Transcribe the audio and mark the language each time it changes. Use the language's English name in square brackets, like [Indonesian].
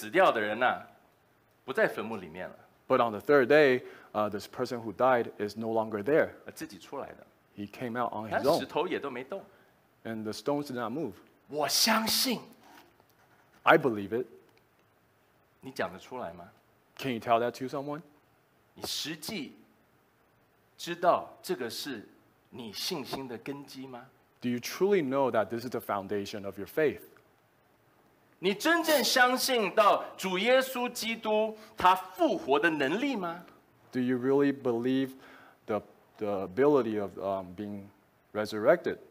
[Chinese] 然后呢,第三天之后,这个死掉的人啊,不在坟墓里面了。 [English] But on the third day, this person who died is no longer there. [Chinese] 自己出来的。 [English] He came out on his own. [Chinese] 石头也都没动。 [English] And the stones did not move. [Chinese] 我相信, [English] I believe it. [Chinese] 你讲得出来吗? [English] Can you tell that to someone? [Chinese] 你实际知道这个是你信心的根基吗? [English] Do you truly know that this is the foundation of your faith? [Chinese] 你真正相信到主耶稣基督他复活的能力吗? [English] Do you really believe the ability of being resurrected?